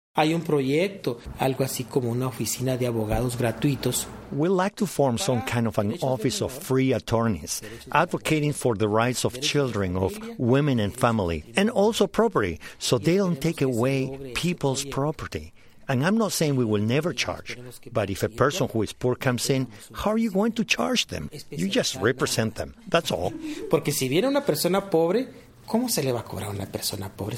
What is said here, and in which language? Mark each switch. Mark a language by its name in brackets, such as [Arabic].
[Spanish] Hay un proyecto, algo así como una oficina de abogados gratuitos. [English] We like to form some kind of an office of free attorneys, advocating for the rights of children, of women and family, and also property, so they don't take away people's property. And I'm not saying we will never charge, but if a person who is poor comes in, how are you going to charge them? You just represent them. That's all. [Spanish] Porque si viene una persona pobre, ¿cómo se le va a cobrar a una persona pobre?